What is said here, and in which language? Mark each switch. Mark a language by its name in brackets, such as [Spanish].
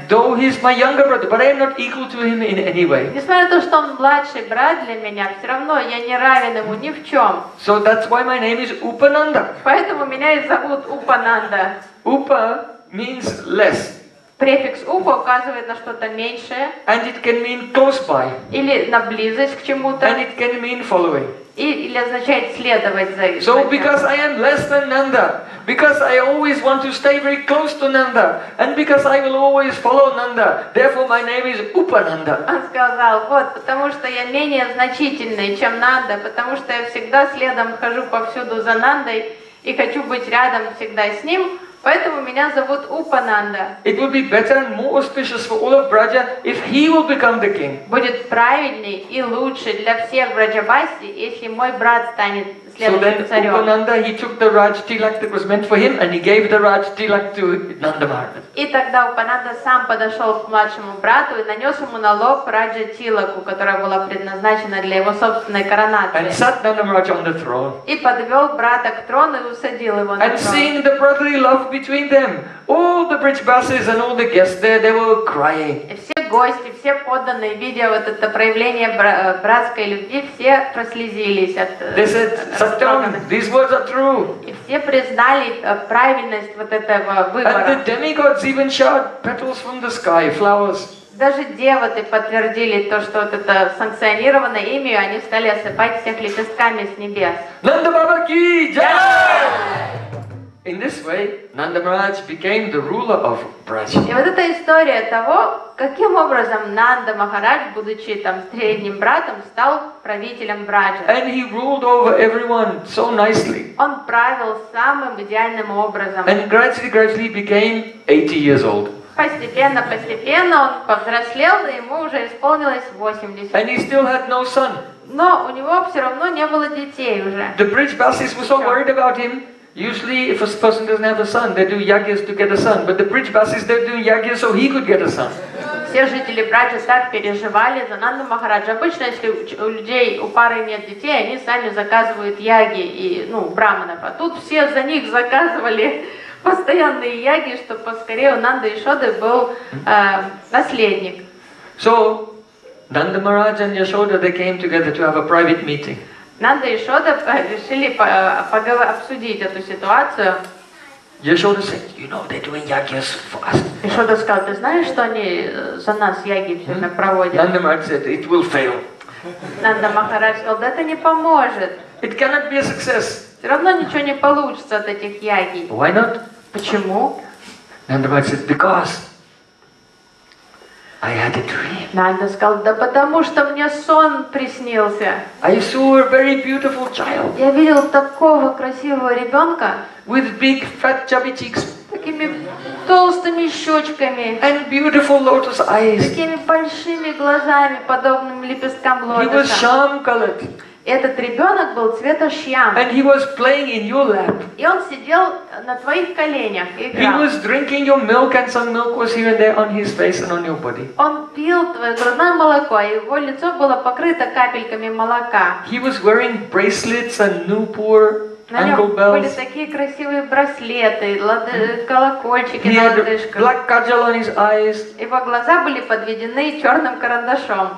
[English] Though he's my younger brother, but I'm not equal to him in any way. [Russian] Несмотря на то, что он младший брат для меня, все равно я не равен ему ни в чем. [English] So that's why my name is Upananda. [Russian] Поэтому меня и зовут Упананда. [English] Upa means less. [Russian] Префикс «упа» указывает на что-то меньшее. [English] And it can mean close by. [Russian] Или на близость к чему-то. [English] And it can mean following. [Russian] Или означает следовать за ним. [English] So because I am less than Nanda, because I always want to stay very close to Nanda, and because I will always follow Nanda, therefore my name is Upananda. [Russian] Он сказал, вот, потому что я менее значительный, чем Нанда, потому что я всегда следом хожу повсюду за Нандой и хочу быть рядом всегда с ним. Поэтому меня зовут Упананда. [English] It would be better and more auspicious for all of Braja if he will become the king. [Russian] Будет правильней и лучше для всех Браджабаси, если мой брат станет следующим царем. [English] So then Upananda, he took the Raj Tilak that was meant for him and he gave the Raj Tilak to Nandamaharaj. [Russian] И тогда Упананда сам подошел к младшему брату и нанес ему на лоб Раджа Тилаку, которая была предназначена для его собственной коронации. [English] And sat Nandamaharaj on the throne. [Russian] И подвел брата к трону и усадил его на [English] and And seeing the brotherly love between them, all the Brijbasis and all the guests there, they were crying. [Russian] Все гости, все подданные, видя вот это проявление братской любви, все прослезились от. [English] They said, "Satyam, these words are true." [Russian] И все признали правильность вот этого выбора. [English] And the demigods even showered petals from the sky, flowers. [Russian] Даже девоты подтвердили то, что вот это санкционировано ими, они стали осыпать всех лепестками с небес. [Hindi] Нанда Баба Ки Джай! [English] In this way, Nanda Maharaj became the ruler of Braj. [Russian] И вот эта история того, каким образом Нанда Махарадж, будучи там средним братом, стал правителем Браджа. [English] And he ruled over everyone so nicely. [Russian] Он правил самым идеальным образом. [English] And gradually became 80 years old. [Russian] Постепенно он повзрослел, и ему уже исполнилось 80. [English] And he still had no son. [Russian] Но у него все равно не было детей уже. [English] The Brijbasis were so worried about him. Usually, if a person doesn't have a son, they do yagyas to get a son. But the Brijbasis, they're doing yagyas so he could get a son. [Russian] Все жители Браджа так переживали за Нанду Махараджа. Обычно, если у людей, у пары нет детей, они сами заказывают яги и, ну, браманов. А тут все за них заказывали постоянные яги, чтобы поскорее у Нанды Ишоды был наследник. [English] So, Nanda Maharaj and Yashoda, they came together to have a private meeting. [Russian] Нанда и Ишода решили обсудить эту ситуацию. Ишода сказал, [English] you know, they're doing yagyas for us. [Russian] Ишода сказал, ты знаешь, что они за нас яги все время проводят? [English] Нанда Махарадж said, it will fail. [Russian] Нанда Махарадж сказал, да это не поможет. [English] It cannot be a success. [Russian] Все равно ничего не получится от этих яги. [English] Why not? [Russian] Почему? [English] Нанда Махарадж said, because. I had a dream. [Russian] Нанда сказал, да потому что мне сон приснился. [English] I saw a very beautiful child. [Russian] Я видел такого красивого ребенка. [English] With big fat chubby cheeks. [Russian] Такими толстыми щечками. [English] And beautiful lotus eyes. [Russian] Такими большими глазами, подобными лепесткам лотоса. [English] He was sham colored. [Russian] Этот ребенок был цвета шьям. [English] And he was playing in your lap. [Russian] И он сидел на твоих коленях и играл. [English] He was drinking your milk and some milk was here and there on his face and on your body. [Russian] Он пил твое грудное молоко, и его лицо было покрыто капельками молока. [English] He was wearing bracelets and Nupur ankle bells. [Russian] На нем были такие красивые браслеты, колокольчики на лодыжках. [English] Black kajal on his eyes. [Russian] Его глаза были подведены черным карандашом.